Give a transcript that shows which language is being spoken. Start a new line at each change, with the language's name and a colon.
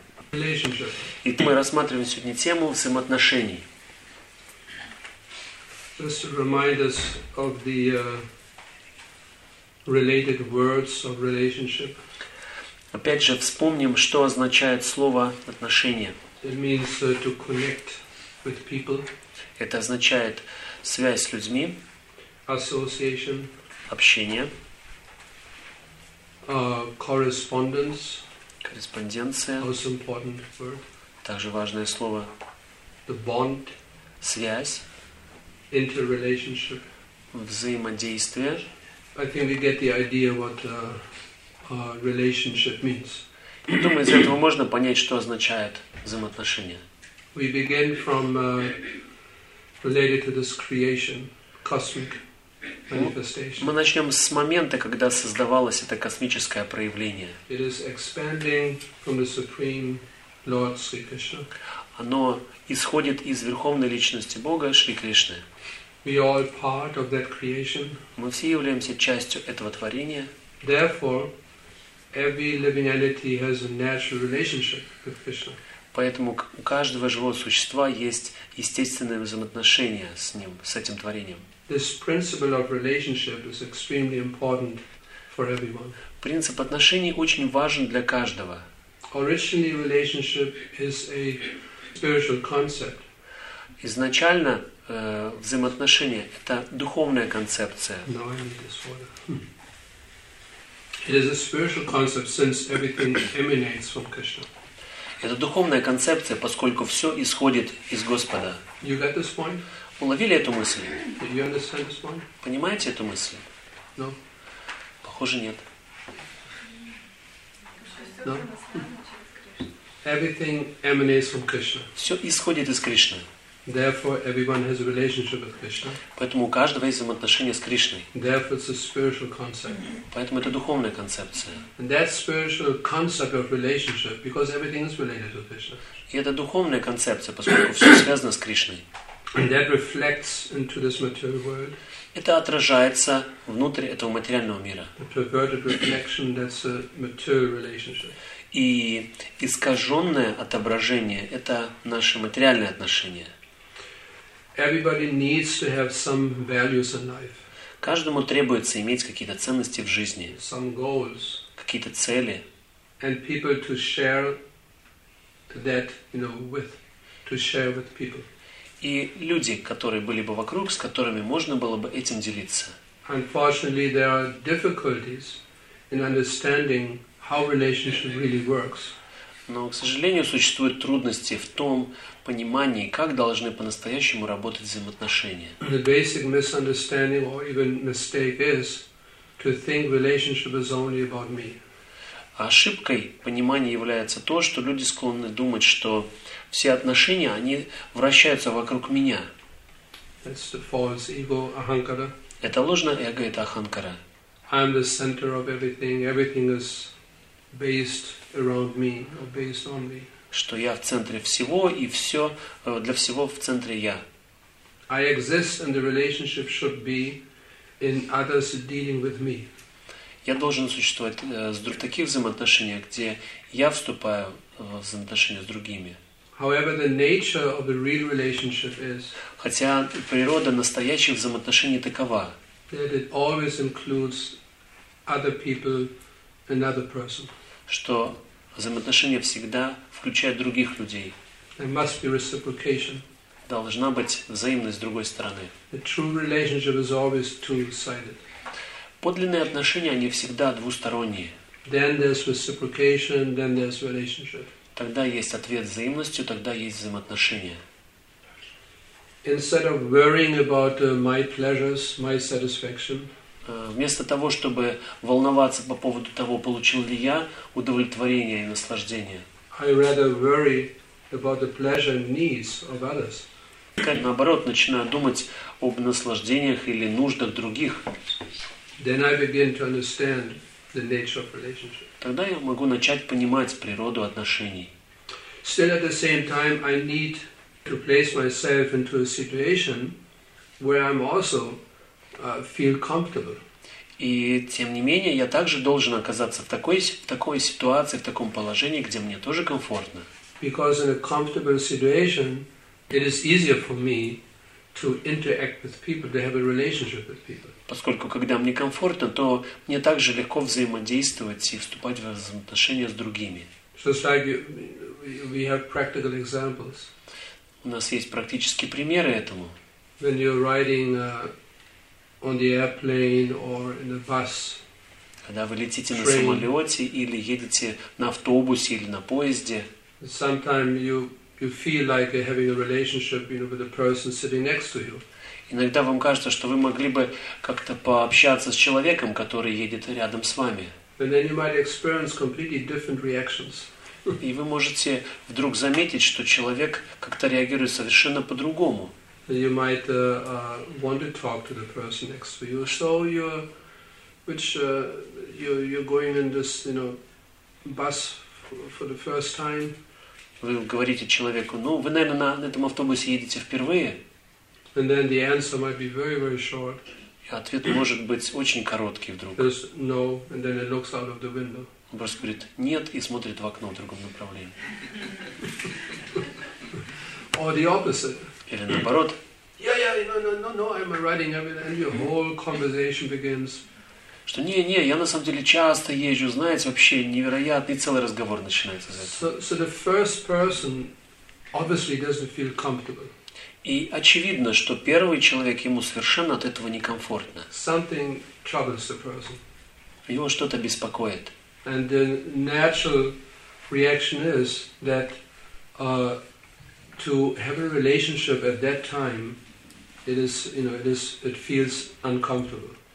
Russian: Мы рассматриваем сегодня тему взаимоотношений.
English: Just to remind us of the related words of relationship.
Russian: Опять же, вспомним, что означает слово отношения.
English: It means to connect with people.
Russian: Это означает связь с людьми.
English: Association.
Russian: Общение.
English: Correspondence.
Russian: Корреспонденция.
English: Also important word.
Russian: Также важное слово.
English: The bond.
Russian: Связь.
English: Interrelationship.
Russian: Взаимодействие.
English: I think we get the idea what relationship means.
Russian: Думаю, из этого можно понять, что означает взаимоотношения.
English: We begin from related to this creation, cosmic manifestation.
Russian: Мы начнем с момента, когда создавалось это космическое проявление.
English: It is expanding from the Supreme Lord Sri Krishna.
Russian: Оно исходит из Верховной Личности Бога Шри Кришны.
English: We are part of that creation.
Russian: Мы все являемся частью этого творения.
English: Therefore, every living entity has a natural relationship with Krishna.
Russian: Поэтому у каждого живого существа есть естественное взаимоотношение с ним, с этим творением.
English: This principle of relationship is extremely important for everyone.
Russian: Принцип отношений очень важен для каждого.
English: Originally, relationship is a spiritual concept.
Russian: Изначально взаимоотношения — это духовная концепция.
English: No, I need this water. It is a spiritual concept since everything emanates from Krishna.
Russian: Это духовная концепция, поскольку все исходит из Господа.
English: You get this point?
Russian: Уловили эту мысль?
English: Did you understand this point?
Russian: Понимаете эту мысль?
English: No.
Russian: Похоже, нет.
English: No. Everything emanates from Krishna.
Russian: Все исходит из Кришны.
English: Therefore, everyone has a relationship with Krishna.
Russian: Поэтому у каждого есть взаимоотношения с Кришной.
English: Therefore, it's a spiritual concept.
Russian: Поэтому это духовная концепция.
English: And that spiritual concept of relationship, because everything is related to Krishna.
Russian: И это духовная концепция, поскольку все связано с Кришной.
English: And that reflects into this material world.
Russian: Это отражается внутрь этого материального мира.
English: The perverted reflection, that's a material relationship.
Russian: И искаженное отображение — это наши материальные отношения.
English: Everybody needs to have some values in life.
Russian: Каждому требуется иметь какие-то ценности в жизни.
English: Some goals.
Russian: Какие-то цели.
English: And people to share that, you know, with, to share with people.
Russian: И люди, которые были бы вокруг, с которыми можно было бы этим делиться.
English: Unfortunately, there are difficulties in understanding how relationship really works.
Russian: Но, к сожалению, существуют трудности в том понимании, как должны по-настоящему работать взаимоотношения.
English: The basic misunderstanding or even mistake is to think relationship is only about me.
Russian: Ошибкой понимания является то, что люди склонны думать, что все отношения, они вращаются вокруг меня.
English: That's the false ego, ahankara.
Russian: Это ложное эго, это аханкара.
English: I'm the center of everything. Everything is based around me or based on me.
Russian: Что я в центре всего и все для всего в центре я.
English: I exist and the relationship should be in others dealing with me.
Russian: Я должен существовать в таких взаимоотношениях, где я вступаю в взаимоотношения с другими.
English: However, the nature of the real relationship is.
Russian: Хотя природа настоящих взаимоотношений такова.
English: That it always includes other people, another person.
Russian: Что взаимоотношения всегда включают других людей.
English: There must be reciprocation.
Russian: Должна быть взаимность с другой стороны.
English: The true relationship is always two-sided.
Russian: Подлинные отношения, они всегда двусторонние.
English: Then there's reciprocation, then there's relationship.
Russian: Тогда есть ответ взаимностью, тогда есть взаимоотношения.
English: Instead of worrying about my pleasures, my satisfaction,
Russian: вместо того, чтобы волноваться по поводу того, получил ли я удовлетворение и наслаждение.
English: I rather worry about the pleasure and needs of others.
Russian: Наоборот, начинаю думать об наслаждениях или нуждах других.
English: Then I begin to understand the nature of relationship.
Russian: Тогда я могу начать понимать природу отношений.
English: Still at the same time, I need to place myself into a situation where I'm also feel comfortable.
Russian: И тем не менее, я также должен оказаться в такой ситуации, в таком положении, где мне тоже комфортно.
English: Because in a comfortable situation, it is easier for me to interact with people, to have a relationship with people.
Russian: Поскольку когда мне комфортно, то мне также легко взаимодействовать и вступать в взаимоотношения с другими.
English: Just like we have practical examples.
Russian: У нас есть практические примеры этому.
English: When you're riding on the airplane or in a bus.
Russian: Когда вы летите на самолете или едете на автобусе или на поезде.
English: Sometimes you feel like you're having a relationship, you know, with the person sitting next to you.
Russian: Иногда вам кажется, что вы могли бы как-то пообщаться с человеком, который едет рядом с вами.
English: And then you might experience completely different reactions.
Russian: И вы можете вдруг заметить, что человек как-то реагирует совершенно по-другому.
English: You might want to talk to the person next to you, so you're going in this, you know, bus for the first time.
Russian: Вы говорите человеку, ну, вы, наверное, на этом автобусе едете впервые.
English: And then the answer might be very, very short.
Russian: И ответ может быть очень короткий вдруг.
English: There's no, and then it looks out of the window.
Russian: Он просто говорит «нет» и смотрит в окно в другом направлении.
English: Or the opposite.
Russian: Или наоборот.
English: Yeah, no, I'm riding everything. And your whole conversation begins.
Russian: Что «не-не, я на самом деле часто езжу, знаете, вообще невероятный целый разговор начинается за это».
English: So the first person obviously doesn't feel comfortable.
Russian: И очевидно, что первый человек ему совершенно от этого некомфортно.
English: Something troubles the person.
Russian: Его что-то беспокоит.
English: And the natural reaction is that to have a relationship at that time, it feels uncomfortable.